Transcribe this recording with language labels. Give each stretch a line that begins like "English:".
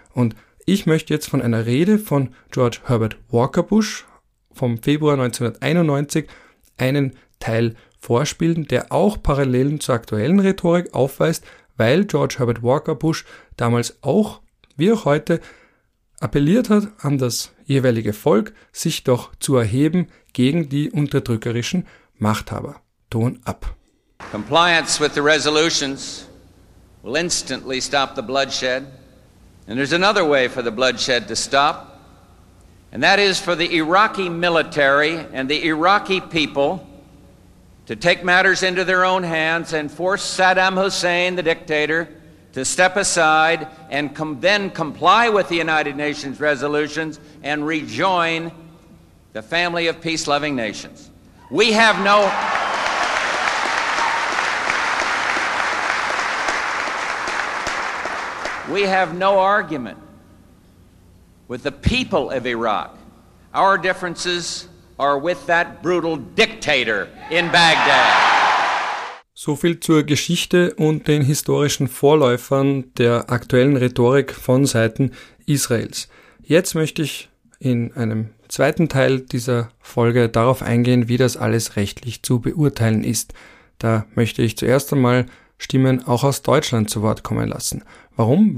German: Und ich möchte jetzt von einer Rede von George Herbert Walker Bush vom Februar 1991 einen Teil vorspielen, der auch Parallelen zur aktuellen Rhetorik aufweist, weil George Herbert Walker Bush damals auch, wie auch heute, appelliert hat an das jeweilige Volk, sich doch zu erheben gegen die unterdrückerischen Machthaber. Ton ab.
English: Compliance with the resolutions will instantly stop the bloodshed. And there's another way for the bloodshed to stop. And that is for the Iraqi military and the Iraqi people to take matters into their own hands and force Saddam Hussein, the dictator, to step aside and then comply with the United Nations resolutions and rejoin the family of peace-loving nations. We have no... We have no argument with the people of Iraq. Our differences are with that brutal dictator in Baghdad.
German: So viel zur Geschichte und den historischen Vorläufern der aktuellen Rhetorik von Seiten Israels. Jetzt möchte ich in einem zweiten Teil dieser Folge darauf eingehen, wie das alles rechtlich zu beurteilen ist. Da möchte ich zuerst einmal Stimmen auch aus Deutschland zu Wort kommen lassen. Warum?